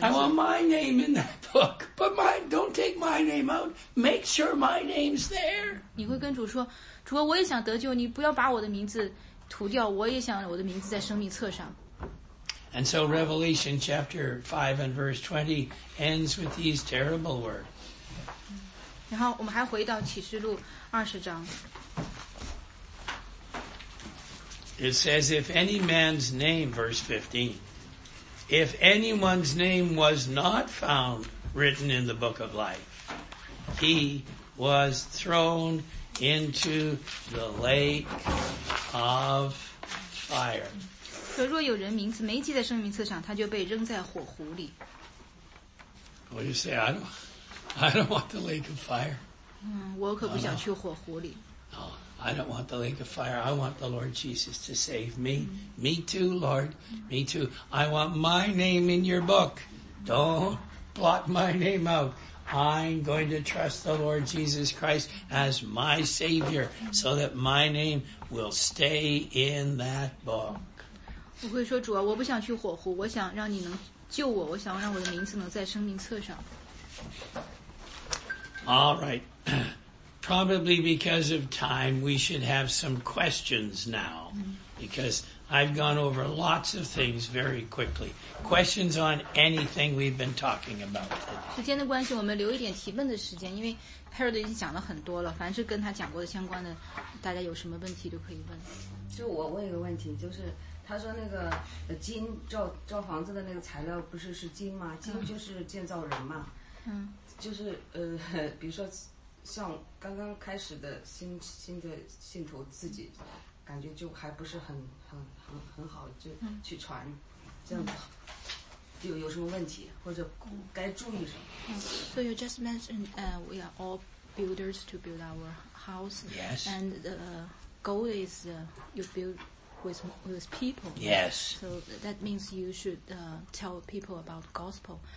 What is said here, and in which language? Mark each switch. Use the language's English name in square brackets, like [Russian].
[Chinese] 键。 [English] I want my name in that book, but don't take my name out. Make sure my name's there. [Chinese] 你会跟主说，主啊，我也想得救，你不要把我的名字涂掉，我也想我的名字在生命册上。 [English] And so Revelation chapter 5 and verse 20 ends with these terrible words. [Chinese] 然后我们还回到启示录二十章。 [English] It says, if any man's name, verse 15, if anyone's name was not found written in the book of life, he was thrown into the lake of fire. [Chinese] 说若有人名字没记在生命册上，他就被扔在火湖里。 [English] What do you say? I don't want the lake of fire. [Chinese] 嗯，我可不想去火湖里。 [English] I don't want the lake of fire. I want the Lord Jesus to save me. Me too, Lord. Me too. I want my name in your book. Don't blot my name out. I'm going to trust the Lord Jesus Christ as my Savior so that my name will stay in that book. [Chinese] 我会说主啊，我不想去火湖，我想让你能救我，我想让我的名字能在生命册上。 [English] All right. Probably because of time, we should have some questions now. Because I've gone over lots of things very quickly. Questions on anything we've been talking about. [Chinese] 时间的关系，我们留一点提问的时间，因为 Harold 已经讲了很多了。凡是跟他讲过的相关的，大家有什么问题都可以问。就我问一个问题，就是他说那个金造房子的那个材料不是是金吗？金就是建造人嘛。嗯。就是比如说。像刚刚开始的新的信徒自己感觉就还不是很好就去传这样子有什么问题或者该注意什么 [English] So you just mentioned we are all builders to build our house Yes And the goal is you build with people Yes So that means you should tell people about gospel